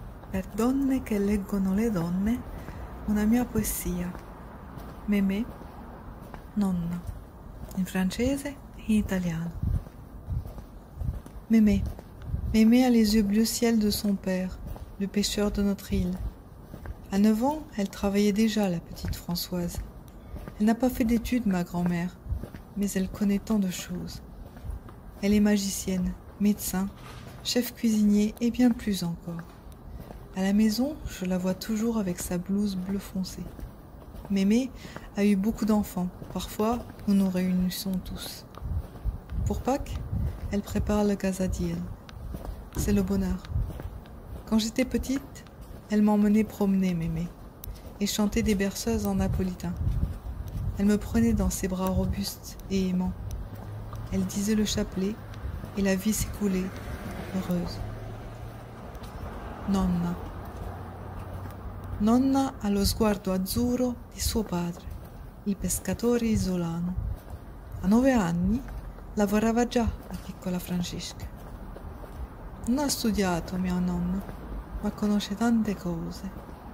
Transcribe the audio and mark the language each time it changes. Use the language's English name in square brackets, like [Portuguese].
[Italian] Per donne che leggono le donne, una mia poesia. Mémé, nonna, in francese e in italiano. [French] Mémé, Mémé a les yeux bleu ciel de son père, le pêcheur de notre île. À 9 ans, elle travaillait déjà, la petite Françoise. Elle n'a pas fait d'études, ma grand-mère, mais elle connaît tant de choses. Elle est magicienne, médecin, chef cuisinier et bien plus encore. À la maison, je la vois toujours avec sa blouse bleu foncé. Mémé a eu beaucoup d'enfants. Parfois, nous nous réunissons tous. Pour Pâques, elle prépare le casadiel. C'est le bonheur. Quand j'étais petite, elle m'emmenait promener Mémé et chanter des berceuses en napolitain. Elle me prenait dans ses bras robustes et aimants. Elle disait le chapelet. Et la vie s'écoulait, heureuse. [Italian] Nonna. Nonna ha lo sguardo azzurro di suo padre, il pescatore isolano. A 9 anni lavorava già la piccola Francesca. Non ha studiato, mia nonna, ma conosce tante cose.